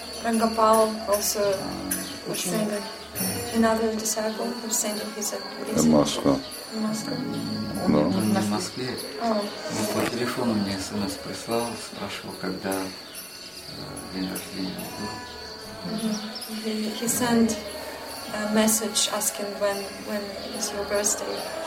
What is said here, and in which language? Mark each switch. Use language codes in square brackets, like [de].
[en] Рамгопал also was sending another disciple who was sending his In Moscow. [ru] Но не в Москве. Он по телефону мне смс прислал, спрашивал, когда день рождения был. [en] He sent a message asking when is your birthday.